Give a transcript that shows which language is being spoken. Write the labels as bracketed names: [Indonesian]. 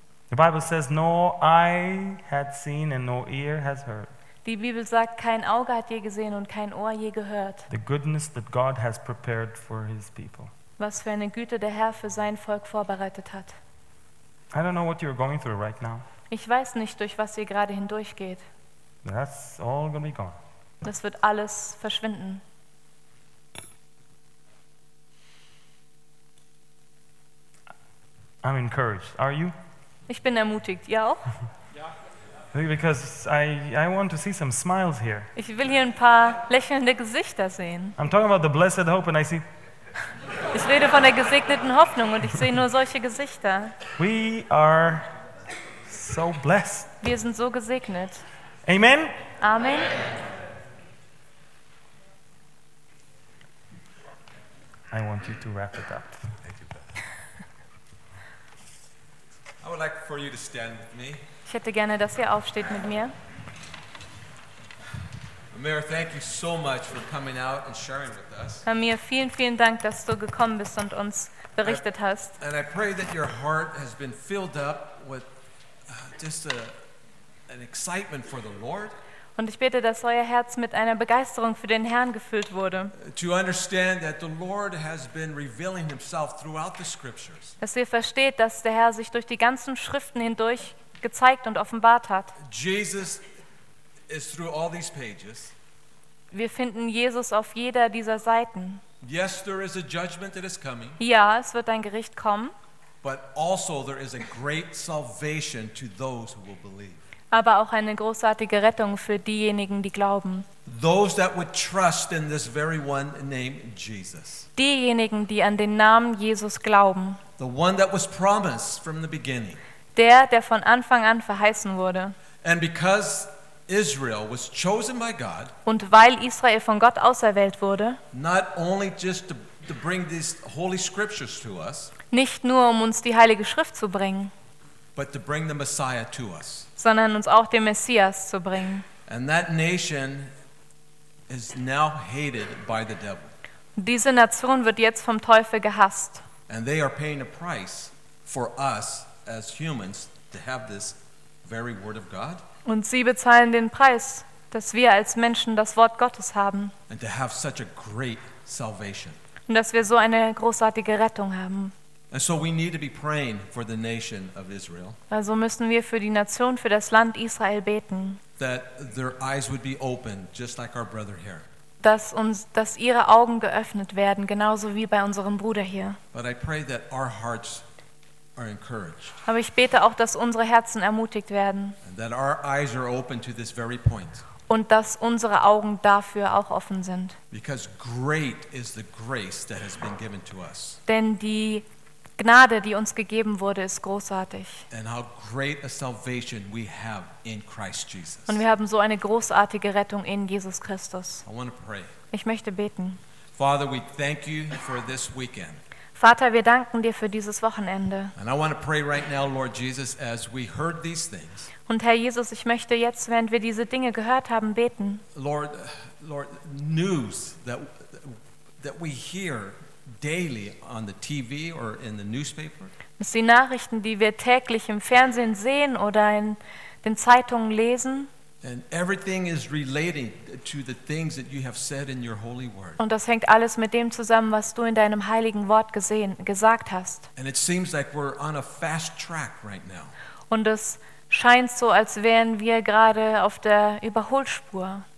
[English] The Bible says, no eye had seen and no ear has heard. [German] Die Bibel sagt, kein Auge hat je gesehen und kein Ohr je gehört. [English] The goodness that God has prepared for his people. [German] Was für eine Güte der Herr für sein Volk vorbereitet hat. [English] I don't know what you're going through right now. [German] Ich weiß nicht, durch was ihr gerade hindurchgeht. [English] That's all gonna be gone. [German] Das wird alles verschwinden. [English] I'm encouraged. Are you? [German] Ich bin ermutigt. Ihr auch? [English] Because I want to see some smiles here. [German] Ich will hier ein paar lächelnde Gesichter sehen. [English] I'm talking about the blessed hope and I see. [German] Ich rede von der gesegneten Hoffnung und ich sehe nur solche Gesichter. [English] We are so blessed. [German] Wir sind so gesegnet. [English] Amen. [German] Amen. [English] I want you to wrap it up. Thank you, Beth. I would like for you to stand with me. [German] Ich hätte gerne, dass ihr aufsteht mit mir. [English] Amir, thank you so much for coming out and sharing with us. [German] Amir, vielen, vielen Dank, dass du gekommen bist und uns berichtet hast. [English] And I pray that your heart has been filled up with just an excitement for the Lord. [German] Und ich bete, dass euer Herz mit einer Begeisterung für den Herrn gefüllt wurde. [English] To understand that the Lord has been revealing himself throughout the scriptures. [German] Dass ihr versteht, dass der Herr sich durch die ganzen Schriften hindurch gezeigt und offenbart hat. [English] Jesus is through all these pages. [German] Wir finden Jesus auf jeder dieser Seiten. [English] Yes, there is a judgment that is coming. [German] Ja, es wird ein Gericht kommen. [English] But also there is a great salvation to those who will believe. [German] aber auch eine großartige Rettung für diejenigen, die glauben. [English] Those that would trust in this very one name, Jesus. [German] Diejenigen, die an den Namen Jesus glauben. [English] The one that was promised from the beginning. [German] Der, der von Anfang an verheißen wurde. [English] And because Israel was chosen by God. [German] Und weil Israel von Gott auserwählt wurde. [English] Not only just to bring these holy scriptures to us. [German] Nicht nur um uns die Heilige Schrift zu bringen. [English] But to bring the Messiah to us. [German] Sondern uns auch den Messias zu bringen. [English] And that nation is now hated by the devil. [German] Diese Nation wird jetzt vom Teufel gehasst. [English] And they are paying a price for us as humans to have this very word of God. [German] Und sie bezahlen den Preis, dass wir als Menschen das Wort Gottes haben. [English] And to have such a great salvation. [German] Und dass wir so eine großartige Rettung haben. [English] And so we need to be praying for the nation of Israel. [German] Also müssen wir für die Nation, für das Land Israel beten. [English] That their eyes would be opened, just like our brother here. [German] Dass ihre Augen geöffnet werden, genauso wie bei unserem Bruder hier. [English] But I pray that our hearts are encouraged. [German] Aber ich bete auch, dass unsere Herzen ermutigt werden. [English] And that our eyes are open to this very point. [German] Und dass unsere Augen dafür auch offen sind. [English] Because great is the grace that has been given to us. [German] Denn die Gnade, die uns gegeben wurde, ist großartig. [English] And how great a salvation we have in Christ Jesus. [German] Und wir haben so eine großartige Rettung in Jesus Christus. [English] I want to pray. [German] Ich möchte beten. [English] Father, we thank you for this weekend. [German] Vater, wir danken dir für dieses Wochenende. [English] And I want to pray right now, Lord Jesus, as we heard these things. [German] Und Herr Jesus, ich möchte jetzt, während wir diese Dinge gehört haben, beten. [English] Lord, news that we hear daily on the TV or in the newspaper. [German] Es sind Nachrichten, die wir täglich im Fernsehen sehen oder in den Zeitungen lesen. [English] And everything is relating to the things that you have said in your holy word. [German] Und das hängt alles mit dem zusammen, was du in deinem heiligen Wort gesagt hast. [English] And it seems like we're on a fast track right now. [German] Und es scheint so, als wären wir gerade auf der Überholspur.